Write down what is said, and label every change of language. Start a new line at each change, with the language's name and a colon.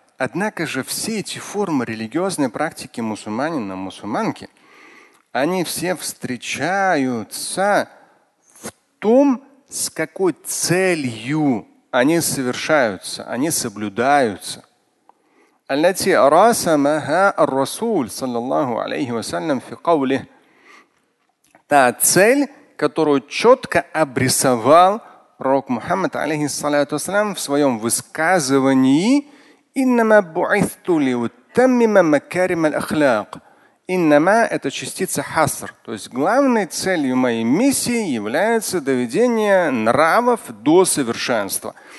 Russian: Однако же все эти формы религиозной практики мусульманина, мусульманки, они все встречаются в том, с какой целью они совершаются, они соблюдаются.
Arabic: التي رسمها الرسول صلى الله عليه وسلم في قوله.
Russian: Та цель, которую четко обрисовал пророк Мухаммад
Arabic: алейхиссаляту вассалям
Russian: в своем высказывании
Arabic: «Иннама буйсту лиутаммима макарима л-ахляк».
Russian: «Иннама» – это частица хаср. То есть главной целью моей миссии является доведение нравов до совершенства.